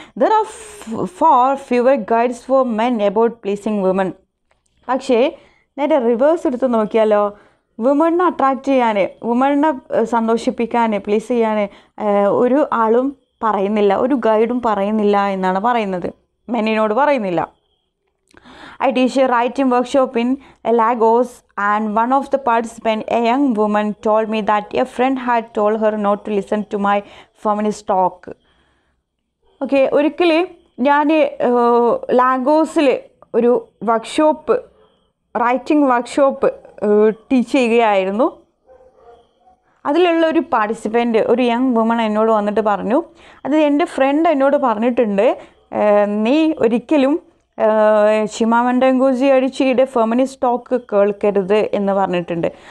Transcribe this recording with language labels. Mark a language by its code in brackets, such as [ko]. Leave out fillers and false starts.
[en] There are far fewer guides for men about pleasing women. [ml] പക്ഷേ നേരെ reverse എടുത്ത് നോക്കിയാലോ, വുമണിനെ അട്രാക്റ്റ് ചെയ്യാൻ, വുമണിനെ സന്തോഷിപ്പിക്കാൻ, പ്ലീസ് ചെയ്യാൻ ഒരു ആളും പറയുന്നില്ല, ഒരു ഗൈഡും പറയുന്നില്ല എന്നാണ് പറയുന്നത്, മെന്നിനോട് പറയുന്നില്ല. [en] I teach a writing workshop in Lagos, and one of the participants, a young woman, told me that a friend had told her not to listen to my feminist talk. [ml] Okay, ഒരിക്കൽ ഞാൻ ലാഗോസിൽ ഒരു workshop, writing workshop teach ചെയ്യുകയായിരുന്നു. അതിലുള്ള ഒരു participant, ഒരു young woman എന്നോട് വന്നിട്ട് പറഞ്ഞു, അത് എൻ്റെ ഫ്രണ്ട് എന്നോട് പറഞ്ഞിട്ടുണ്ട്, നീ ഒരിക്കലും ചിമാമണ്ഡ ൻഗോസി അഡിച്ചിയുടെ ഫെമിനിസ്റ്റ് ടോക്ക് കേൾക്കരുത് എന്ന് പറഞ്ഞിട്ടുണ്ട്.